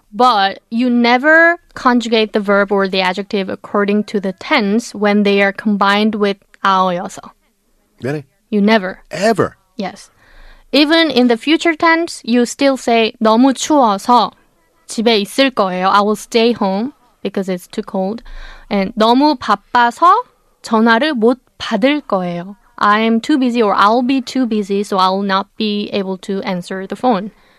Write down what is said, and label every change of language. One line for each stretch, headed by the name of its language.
English: But you never conjugate the verb or the adjective according to the tense when they are combined with 아어여서. Really? You never. Ever? Yes. Even in the future tense, you still say
Korean: 너무 추워서 집에 있을 거예요.
English: I will stay home because it's too cold.
Korean: And 너무 바빠서 전화를 못 받을 거예요.
English: I am too busy or I'll be too busy, so I'll not be able to answer the phone.